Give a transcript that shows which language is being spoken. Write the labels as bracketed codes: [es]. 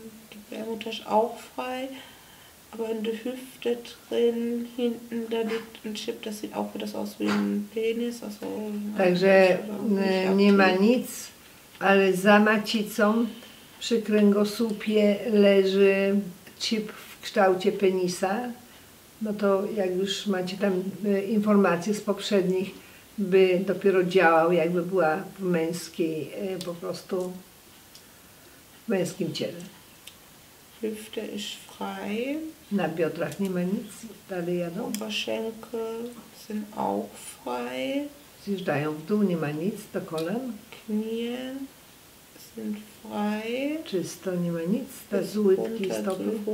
[de] Gebärmutter ist auch frei. Aber in der Hüfte drin, hinten, da liegt ein Chip, das sieht auch wieder so aus wie ein Penis. Also, [pl] także nie ma nic, ale za macicą przy kręgosłupie leży chip w kształcie penisa. No to jak już macie tam informacje z poprzednich, by dopiero działał, jakby była w męskiej, po prostu w męskim ciele. [de] Hüfte ist frei. [pl] Na biodrach nie ma nic, dalej jadą. [de] Oberschenkel sind auch frei. [pl] Zjeżdżają w dół, nie ma nic, do kolan. [de] Knie sind frei. [pl] Czysto, nie ma nic, te łydki stopy.